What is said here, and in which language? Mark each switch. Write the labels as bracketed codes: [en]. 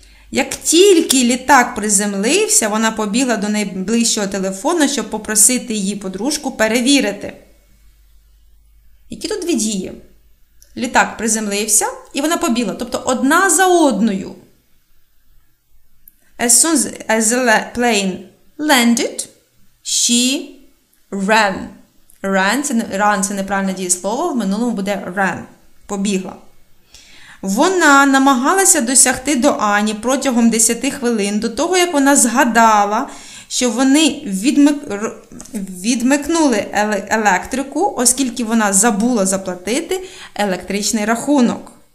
[uk] Як тільки літак приземлився, вона побігла до найближчого телефону, щоб попросити її подружку перевірити. Які тут дві дії? Літак приземлився, і вона побігла. Тобто, одна за одною. [en] As soon as the plane landed, she ran. [uk] Ran – це неправильне дієслово, в минулому буде ran – побігла. Вона намагалася досягти до Ані протягом 10 хвилин, до того, як вона згадала, що вони відмикнули електрику, оскільки вона забула заплатити електричний рахунок.